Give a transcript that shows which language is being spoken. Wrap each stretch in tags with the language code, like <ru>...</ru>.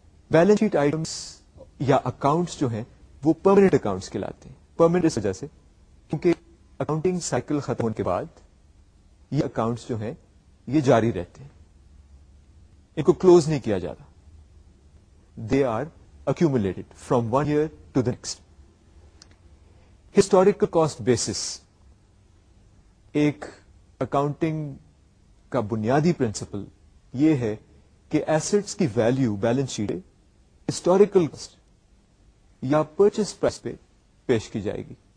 <ur>Balance sheet items یا accounts جو ہیں وہ پرمننٹ اکاؤنٹس کہلاتے ہیں. پرمننٹ اس وجہ سے کیونکہ اکاؤنٹنگ سائیکل ختم ہونے کے بعد یہ اکاؤنٹس جو ہیں یہ جاری رہتے ہیں, ان کو کلوز نہیں کیا جاتا.</ur> <en>They are accumulated from one year to the next.</en> <ur>Historical cost basis ایک اکاؤنٹنگ کا بنیادی پرنسپل یہ ہے کہ ایسٹس کی value balance sheet historical cost یا پرچیز پرائس پہ پیش کی جائے گی.</ur>